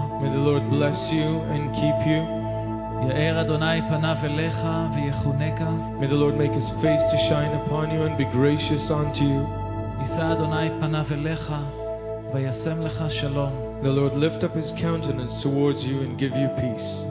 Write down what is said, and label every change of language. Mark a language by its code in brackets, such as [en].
[en] May the Lord bless you and keep you. [he] יאר אדוני פניו אליך ויחונך. [en] May the Lord make his face to shine upon you and be gracious unto you. [he] ישא אדוני פניו אליך וישם לך שלום. [en] The Lord lift up his countenance towards you and give you peace.